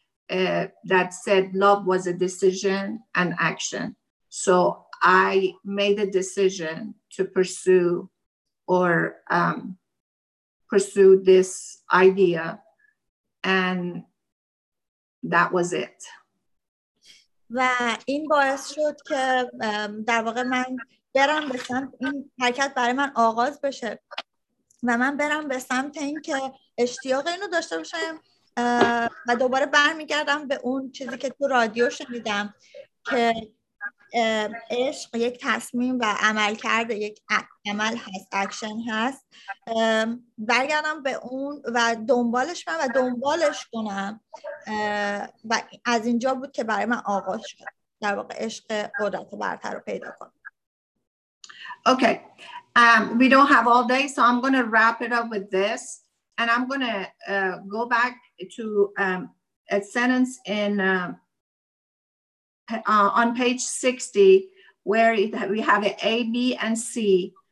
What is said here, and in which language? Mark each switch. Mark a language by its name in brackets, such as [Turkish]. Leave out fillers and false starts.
[English] that said love was a decision and action. So I made a decision to pursue or pursue this idea, and that was it. [Persian] و این باعث شد که در واقع من برم به سمت این حرکت برای من آغاز بشه و من برم به سمت این که اشتیاق اینو داشته باشم و دوباره برمیگردم به اون چیزی که تو رادیو شنیدم که عشق یک تصمیم و عمل کرده یک عمل هست، اکشن هست، برگردم به اون و دنبالش من و دنبالش کنم و از اینجا بود که برای من آغاز شد در واقع عشق قدرت برتر رو پیدا کنم. [English] Okay. We don't have all day, so I'm going to wrap it up with this. And I'm going to go back to a sentence in on page 60, where we have A, B, and C.